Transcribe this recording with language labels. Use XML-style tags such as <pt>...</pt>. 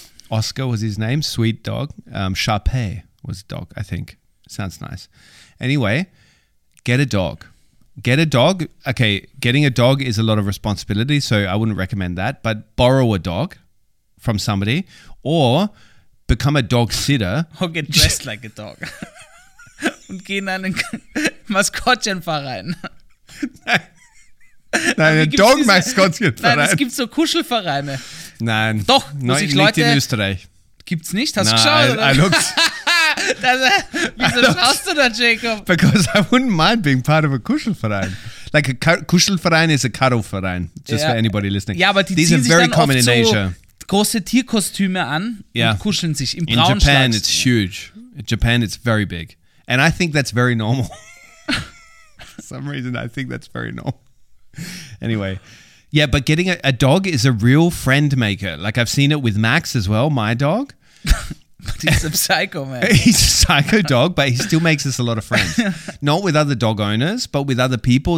<en>Oscar was his name, sweet dog. Sharpay was a dog, I think. Sounds nice. Anyway, get a dog. Get a dog. Okay, getting a dog is a lot of responsibility, so I wouldn't recommend that. But borrow a dog from somebody or become a dog sitter. Or get dressed like a dog.</en> <de>Und geh in einen Maskottchenverein. Nein, ein Dog-Maskottchenverein. Nein, es gibt so Kuschelvereine. Nein. Doch, muss ich Leute... Nicht in Österreich. Gibt's nicht? Hast du geschaut? Nein,</de> <en>I looked.</en> <de>Wieso schaust du da, Jacob?</de> <en>Because I wouldn't mind being part of a Kuschelverein. Like, a Kuschelverein is a Cuddle-Verein. Just for anybody listening.</en> <de>Ja, aber die ziehen sich</de> <en>very</en> <de>dann oft so große Tierkostüme an und kuscheln sich im Braunschlag.</de> <en>In Japan, it's huge. In Japan, it's very big. And I think that's very normal. For some reason, I think that's very normal. Anyway, yeah, but getting a dog is a real friend maker. Like, I've seen it with Max as well, my dog. But he's a psycho, man. He's a psycho dog, but he still makes us a lot of friends. Not with other dog owners, but with other people.</en>